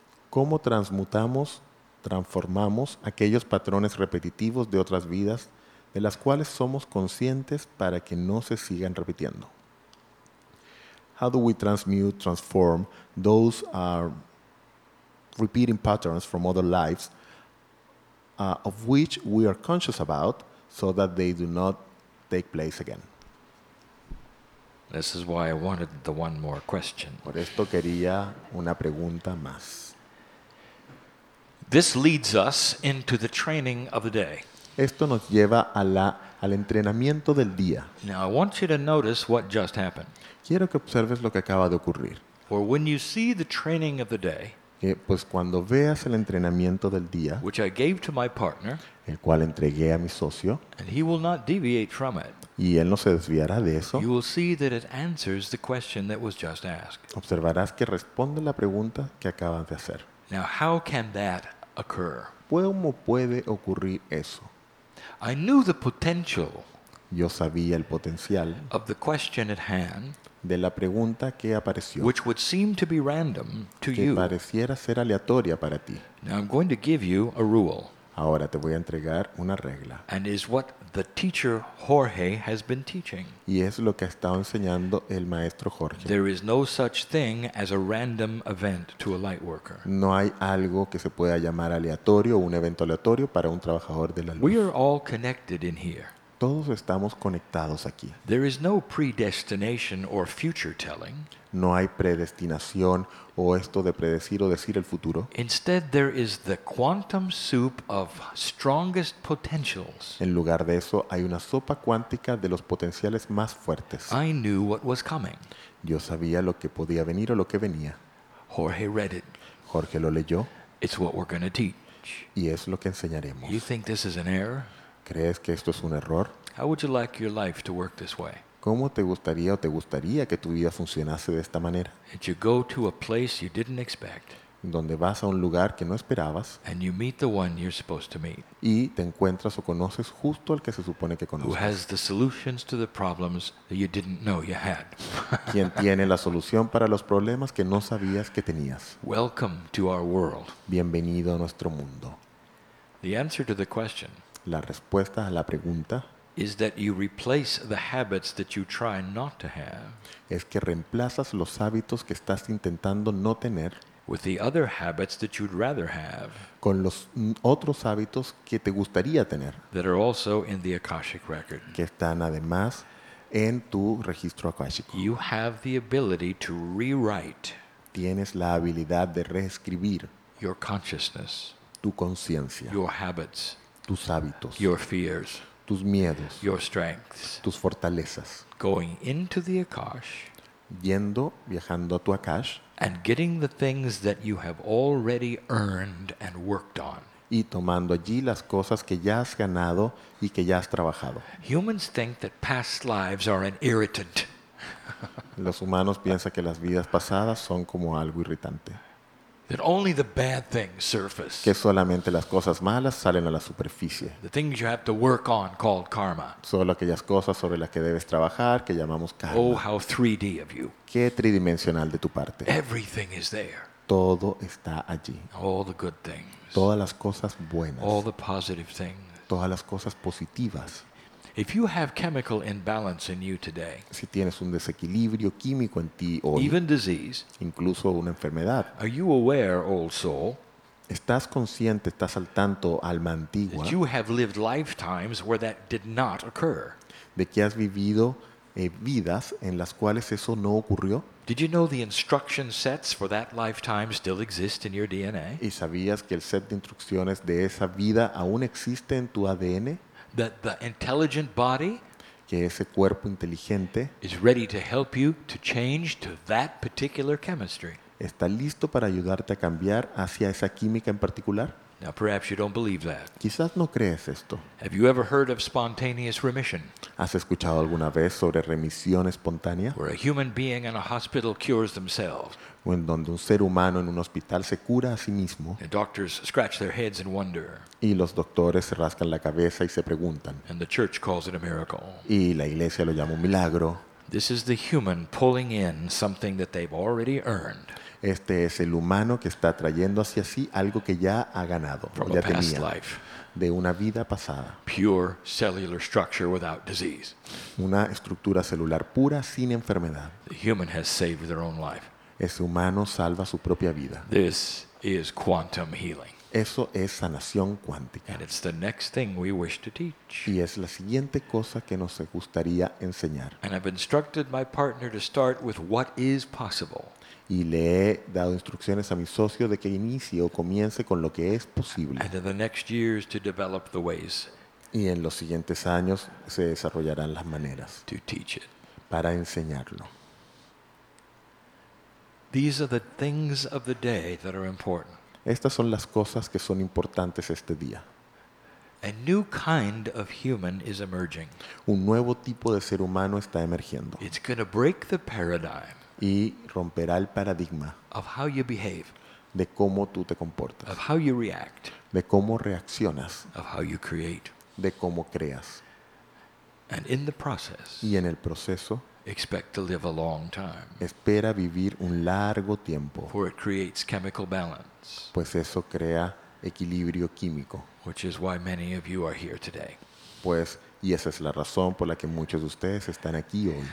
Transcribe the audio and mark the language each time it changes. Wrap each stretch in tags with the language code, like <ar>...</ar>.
<es>¿Cómo transformamos aquellos patrones repetitivos de otras vidas de las cuales somos conscientes para que no se sigan repitiendo?</es> <en>How do we transform those repeating patterns from other lives of which we are conscious about so that they do not take place again? This is why I wanted the one more question.</en> <es>Por esto quería una pregunta más.</es> <en>This leads us into the training of the day.</en> <es>Esto nos lleva al entrenamiento del día.</es> <en>Now I want you to notice what just happened.</en> <es>Quiero que observes lo que acaba de ocurrir.</es> <en>For when you see the training of the day,</en> <es>pues cuando veas el entrenamiento del día,</es> <en>which I gave to my partner,</en> <es>el cual entregué a mi socio,</es> <en>and he will not deviate from it,</en> <es>y él no se desviará de eso,</es> <en>you will see that it answers the question that was just asked.</en> <es>Observarás que responde la pregunta que acabas de hacer.</es> <en>Now, how can that occur?</en> <es>¿Cómo puede ocurrir eso?</es> <en>I knew the potential.</en> <es>Yo sabía el potencial</es> <en>of the question at hand,</en> <es>de la pregunta que apareció,</es> <en>which would seem to be random to</en> <es>que</es> <en>you.</en> <es>Que pareciera ser aleatoria para ti.</es> <en>Now I'm going to give you a rule.</en> <es>Ahora te voy a entregar una regla.</es> <en>And is what the teacher Jorge has been teaching.</en> <es>Y es lo que ha estado enseñando el maestro Jorge.</es> <en>There is no such thing as a random event to a light worker.</en> <es>No hay algo que se pueda llamar aleatorio o un evento aleatorio para un trabajador de la luz.</es> <en>We are all connected in here.</en> <es>Todos estamos conectados aquí.</es> <en>There is no predestination or future telling.</en> <es>No hay predestinación o esto de predecir o decir el futuro.</es> <en>Instead, there is the quantum soup of strongest potentials.</en> <es>En lugar de eso, hay una sopa cuántica de los potenciales más fuertes.</es> <en>I knew what was coming.</en> <es>Yo sabía lo que podía venir o lo que venía.</es> <en>Jorge read it.</en> <es>Jorge lo leyó.</es> <en>It's what we're going to teach.</en> <es>Y es lo que enseñaremos.</es> <en>You think this is an error?</en> <es>¿Crees que esto es un error?</es> <en>How would you like your life to work this way?</en> <es>¿Cómo te gustaría o te gustaría que tu vida funcionase de esta manera?</es> <en>And you go to a place you didn't expect.</en> <es>Donde vas a un lugar que no esperabas.</es> <en>And you meet the one you're supposed to meet.</en> <es>Y te encuentras o conoces justo al que se supone que conoces.</es> <en>Who has the solutions to the problems that you didn't know you had.</en> <es>Quien tiene la solución para los problemas que no sabías que tenías.</es> <en>Welcome to our world.</en> <es>Bienvenido a nuestro mundo.</es> <en>The answer to the question.</en> <es>La respuesta a la pregunta</es> <en>is that you replace the habits that you try not to have,</en> <es>es que reemplazas los hábitos que estás intentando no tener,</es> <en>with the other habits that you'd rather have,</en> <es>con los otros hábitos que te gustaría tener,</es> <en>that are also in the Akashic record,</en> <es>que están además en tu registro akáshico.</es> <en>You have the ability to rewrite,</en> <es>tienes la habilidad de reescribir,</es> <en>your consciousness,</en> <es>tu conciencia,</es> <en>your habits,</en> <es>tus hábitos,</es> <en>your fears,</en> <es>tus miedos,</es> <en>your strengths,</en> <es>tus fortalezas,</es> <en>going into the Akash,</en> <es>yendo, viajando a tu Akash,</es> <en>and getting the things that you have already earned and worked on,</en> <es>y tomando allí las cosas que ya has ganado y que ya has trabajado.</es> <en>Humans think that past lives are an irritant.</en> <es>Los humanos piensan que las vidas pasadas son como algo irritante.</es> <en>That only the bad things surface.</en> <es>Que solamente las cosas malas salen a la superficie.</es> <en>The things you have to work on called karma.</en> <es>Solo aquellas cosas sobre las que debes trabajar que llamamos karma.</es> <en>Oh, how 3D of you.</en> <es>Qué tridimensional de tu parte.</es> <en>Everything is there.</en> <es>Todo está allí.</es> <en>All the good things.</en> <es>Todas las cosas buenas.</es> <en>All the positive things.</en> <es>Todas las cosas positivas.</es> <en>If you have chemical imbalance in you today,</en> <es>si tienes un desequilibrio químico en ti hoy,</es> <en>even disease,</en> <es>incluso una enfermedad,</es> <en>are you aware, old soul,</en> <es>estás consciente, estás al tanto, alma antigua,</es> <en>that you have lived lifetimes where that did not occur,</en> <es>de que has vivido vidas en las cuales eso no ocurrió.</es> <en>Did you know the instruction sets for that lifetime still exist in your DNA?</en> <es>¿Y sabías que el set de instrucciones de esa vida aún existe en tu ADN?</es> <en>That the intelligent body,</en> <es>que ese cuerpo inteligente,</es> <en>is ready to help you to change to that particular chemistry.</en> <es>¿Está listo para ayudarte a cambiar hacia esa química en particular?</es> <en>Now, perhaps you don't believe that.</en> <es>Quizás no crees esto.</es> <en>Have you ever heard of spontaneous remission?</en> <es>¿Has escuchado alguna vez sobre remisión espontánea?</es> <en>Where a human being in a hospital cures themselves.</en> <es>O en donde un ser humano en un hospital se cura a sí mismo.</es> <en>The doctors scratch their heads and wonder.</en> <es>Y los doctores se rascan la cabeza y se preguntan.</es> <en>And the church calls it a miracle.</en> <es>Y la iglesia lo llama un milagro.</es> <en>This is the human pulling in something that they've already earned.</en> <es>Este es el humano que está trayendo hacia sí algo que ya ha ganado,</es> <en>from</en> <es>ya</es> <en>a past</en> <es>tenía,</es> <en>life,</en> <es>de una vida pasada.</es> <en>Pure cellular structure without disease.</en> <es>Una estructura celular pura sin enfermedad.</es> <en>The human has saved their own life.</en> <es>Ese humano salva su propia vida.</es> <en>This is quantum healing.</en> <es>Eso es sanación cuántica.</es> <en>And it's the next thing we wish to teach.</en> <es>Y es la siguiente cosa que nos gustaría enseñar.</es> <en>And I've instructed my partner to start with what is possible.</en> <es>Y le he dado instrucciones a mi socio de que inicie o comience con lo que es posible.</es> <en>And in the next years to develop the ways.</en> <es>Y en los siguientes años se desarrollarán las maneras</es> <en>to teach it.</en> <es>Para enseñarlo.</es> <en>These are the things of the day that are important.</en> <es>Estas son las cosas que son importantes este día.</es> <en>A new kind of human is emerging.</en> <es>Un nuevo tipo de ser humano está emergiendo.</es> <en>It's going to break the paradigm.</en> <es>Y romperá el paradigma</es> <en>of how you behave,</en> <es>de cómo tú te comportas,</es> <en>of how you react,</en> <es>de cómo reaccionas,</es> <en>of how you create,</en> <es>de cómo creas.</es> <en>And in the process,</en> <es>y en el proceso,</es> <en>expect to live a long time,</en> <es>espera vivir un largo tiempo,</es> <en>for it creates chemical balance,</en> <es>pues eso crea equilibrio químico.</es> <en>Which is why many of you are here today.</en> <es>Pues, y esa es la razón por la que muchos de ustedes están aquí hoy.</es>